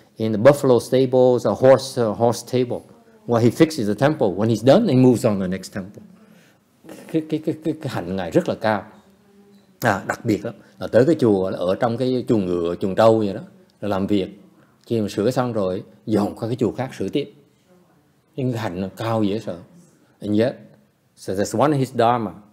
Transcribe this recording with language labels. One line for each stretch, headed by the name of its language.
English: in the buffalo stables, a horse horse table. Well, he fixes the temple. When he's done, he moves on to the next temple.
Vietnamese: Cái hạnh ngài rất là cao. À, đặc biệt lắm. Là tới cái chùa, là ở trong cái chuồng ngựa, chuồng trâu vậy đó. Là làm việc. Khi mà sửa xong rồi, dọn qua cái chùa khác sửa tiếp. Nhưng cái hạnh cao dễ sợ.
English: And yet, so that's one of his dharma.